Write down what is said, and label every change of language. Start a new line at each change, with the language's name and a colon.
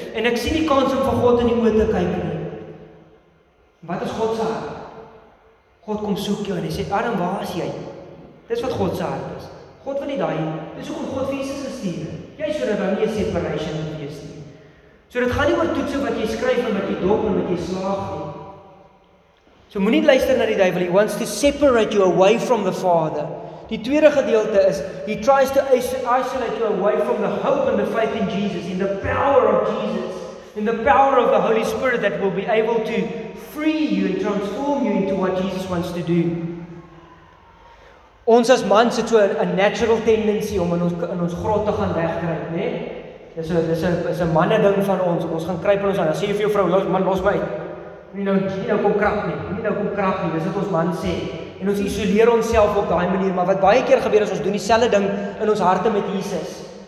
Afrikaans: En ek sien die kans om vir God in die oë te kyk. Wat is God se hart? God kom soek jou en hy sê, Adam, waar is jy? Dis wat God se hart is. God wil nie daai. Dis hoekom God Jesus gestuur het. Jy is sodat daar nie 'n separation moet wees nie. So dit gaan nie oor toetse wat jy skryf en wat jy dop en wat jy slaag nie. So moenie luister na die duivel.
English: He wants to separate you away from the Father.
Afrikaans: Die tweede gedeelte is,
English: he tries to isolate you away from the hope and the faith in Jesus, in the power of Jesus, in the power of the Holy Spirit that will be able to free you and transform you into what Jesus wants to do.
Afrikaans: Ons as mans het so 'n
English: natural tendency
Afrikaans: om in ons grot te gaan wegkruip, né? Dis 'n manne ding van ons. Ons gaan kruip in ons aan. Dan sê jy vir jou vrou, los, man, los my uit. Nie nou kom krap nie. Dis wat ons man sê. En ons isoleer onsself op daai manier, maar wat baie keer gebeur is ons doen dieselfde ding in ons harte met Jesus.